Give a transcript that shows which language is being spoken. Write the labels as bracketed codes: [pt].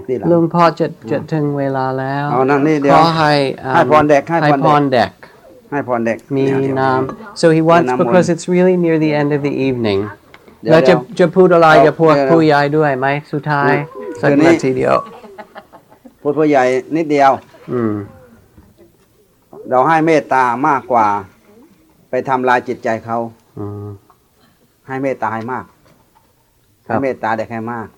[th] Lungpa, just ถึงเวลาแล้ว Oh, นั่งนี่เดี๋ยว ขอให้ ให้พรเด็ก ให้พรเด็ ก ให้พรเด็ก มีน้ำ [en] So he wants because it's really near the end of the evening. [th] แล้วจะพูดอะไรจะพูดผู้ใหญ่ด้วยไหมสุดท้ายสักนาทีเดียว พูดผู้ใหญ่นิดเดียวเราให้เมตตามากกว่าไปทำลายจิตใจเขาให้เมตตาให้มากให้เมตตาเด็กให้มาก